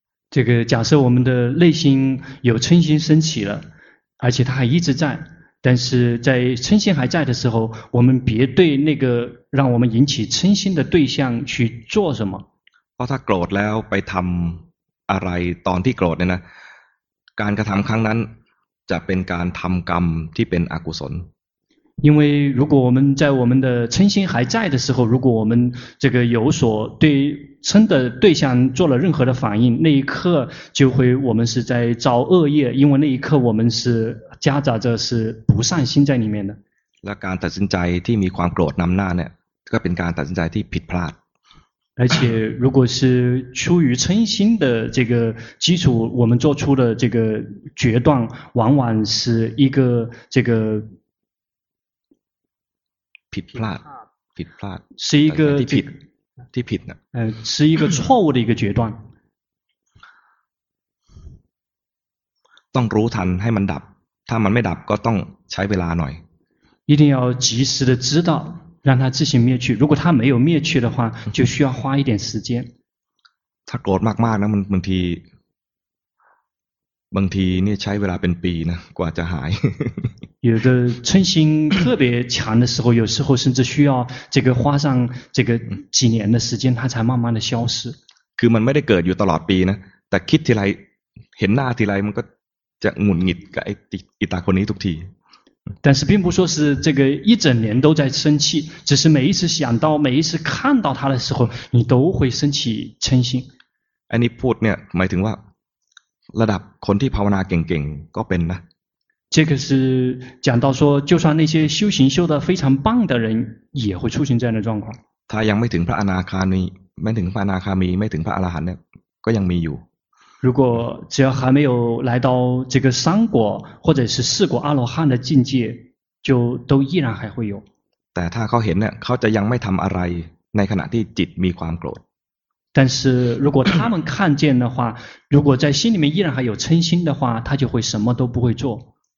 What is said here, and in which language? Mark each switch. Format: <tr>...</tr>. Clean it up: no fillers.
<zh>这个假设我们的内心有嗔心升起了而且它还一直在但是在嗔心还在的时候我们别对那个让我们引起嗔心的对象去做什么</zh> <th>เพราะถ้าโกรธแล้วไปทำอะไรตอนที่โกรธเนี่ยนะการกระทำครั้งนั้นจะเป็นการทำกรรมที่เป็นอกุศล</th> <zh>因为如果我们在我们的嗔心还在的时候如果我们这个有所对嗔的对象做了任何的反应那一刻就会我们是在造恶业因为那一刻我们是夹杂着是不善心在里面的</zh> <th>และการตัดสินใจที่มีความโกรธนำหน้าเนี่ยก็เป็นการตัดสินใจที่ผิดพลาด</th> <zh>而且如果是出于嗔心的这个基础我们做出的这个决断往往是一个这个</zh> <th>ผิดพลาด</th> <zh>是一个</zh> <th>ที่ผิดนะ</th> <zh>是一个错误的一个决断</zh> <th>ต้องรู้ทันให้มันดับถ้ามันไม่ดับก็ต้องใช้เวลาหน่อย</th> <zh>一定要及时的知道让它自行灭去如果它没有灭去的话就需要花一点时间</zh> <th>ถ้าโกรธมากๆนะบางทีเนี่ยใช้เวลาเป็นปีนะกว่าจะหาย</th> <zh>有的嗔心特别强的时候，有时候甚至需要这个花上这个几年的时间，它才慢慢的消失。</zh> <th>คือมันไม่ได้เกิดอยู่ตลอดปีนะแต่คิดทีไรเห็นหน้าทีไรมันก็จะหงุดหงิดกับไอ้ตาคนนี้ทุกที。</th> <zh>但是并不说是这个一整年都在生气，只是每一次想到、每一次看到他的时候，你都会生起嗔心。</zh> <th>อันนี้พูดเนี่ยหมายถึงว่าระดับคนที่ภาวนาเก่งๆก็เป็นนะ。</th> <zh>这个是讲到说，就算那些修行修得非常棒的人，也会出现这样的状况。他</zh> <th>ยังไม่ถึงพระอนาคามีไม่ถึงพระอนาคามีไม่ถึงพระอรหันต์เนี่ยก็ยังมีอยู่。</th> <zh>如果只要还没有来到这个三果或者是四果阿罗汉的境界，就都依然还会有。</zh> <th>แต่ถ้าเขาเห็นเนี่ยเขาจะยังไม่ทำอะไรในขณะที่จิตมีความโกรธ。</th> <zh>但是如果他们看见的话，如果在心里面依然还有嗔心的话，他就会什么都不会做。</zh>